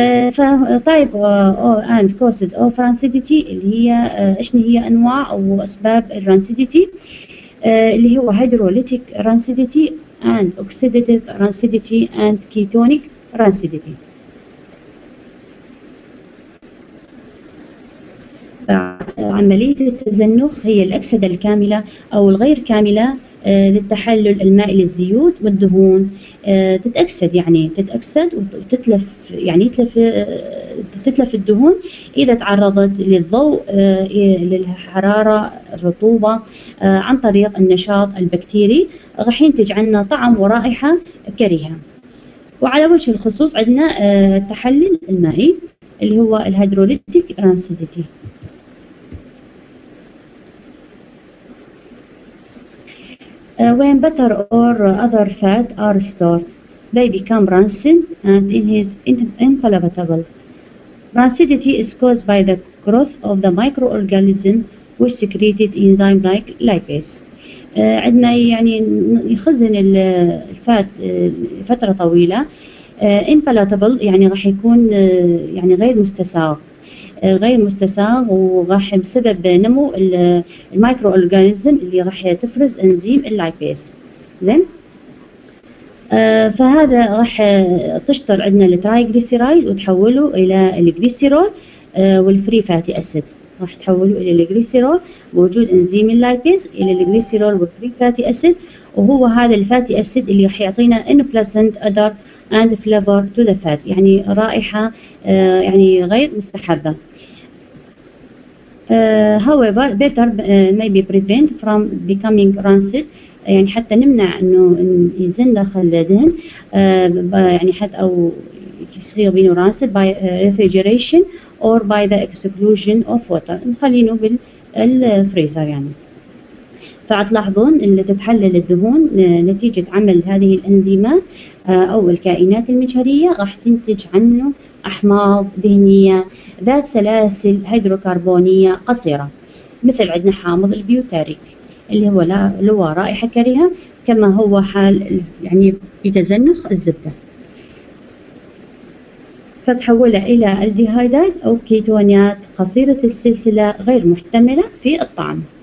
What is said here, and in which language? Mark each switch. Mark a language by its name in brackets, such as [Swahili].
[English] فطيب and causes of rancidity [Arabic] اللي هي ايش هي انواع او اسباب الرانسيديتي، [English] اللي هو hydrolytic rancidity and oxidative rancidity and ketonic rancidity. [Arabic] عملية التزنخ هي الأكسدة الكاملة أو الغير كاملة للتحلل المائي للزيوت والدهون، تتأكسد يعني تتأكسد وتتلف، يعني تتلف الدهون إذا تعرضت للضوء للحرارة الرطوبة عن طريق النشاط البكتيري، راح ينتج عنا طعم ورائحة كريهة. وعلى وجه الخصوص عندنا التحلل المائي اللي هو الهيدروليتيك رانسيديتي. [English] When butter or other fat are stored, they become rancid and impalatable. Rancidity is caused by the growth of the microorganism which secreted enzyme like lipase. [Arabic] عندما يعني يخزن الفات فترة طويلة impalatable يعني راح يكون يعني غير مستساغ. غير مستساغ وراح بسبب نمو المايكرو اورجانيزم اللي راح تفرز انزيم اللايبيز. زين فهذا راح تشطر عندنا الترايجليسيرايد وتحوله الى الجليسيرول، والفري فاتي اسيد راح تحوله الى الجليسيرول، موجود انزيم اللايبيز الى الجليسيرول والفري فاتي اسيد، وهو هذا الفاتي اسيد اللي راح يعطينا [English] unpleasant odour and flavour to the fat, [Arabic] يعني رائحه يعني غير مستحبه. [English] However, better may be prevent from becoming rancid. [Arabic] يعني حتى نمنع انه يزن داخل الدهن يعني حتى او يصير بينه rancid [English] by refrigeration or by the exclusion of water. [Arabic] نخلينه بالفريزر يعني. فتلاحظون ان تتحلل الدهون نتيجة عمل هذه الانزيمات او الكائنات المجهرية راح تنتج عنه احماض دهنية ذات سلاسل هيدروكربونية قصيرة، مثل عندنا حامض البيوتاريك اللي هو له رائحة كريهة، كما هو حال يعني بتزنخ الزبدة، فتحولها الى الديهايدات او كيتونيات قصيرة السلسلة غير محتملة في الطعم.